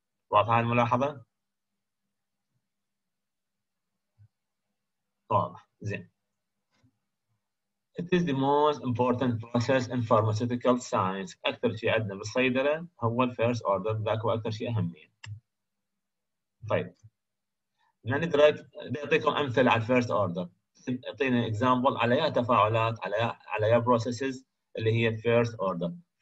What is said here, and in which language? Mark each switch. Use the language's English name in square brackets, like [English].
[Arabic] واضح هاي الملاحظة؟ واضح، زين. [English] It is the most important process in pharmaceutical science. [Arabic] أكثر شيء عندنا بالصيدلة هو الـ first order. ذاك هو أكثر شيء أهمية. طيب. نعني دراك بيعطيكم أمثلة على first order. أعطينا example على يا تفاعلات على يا processes اللي هي first order.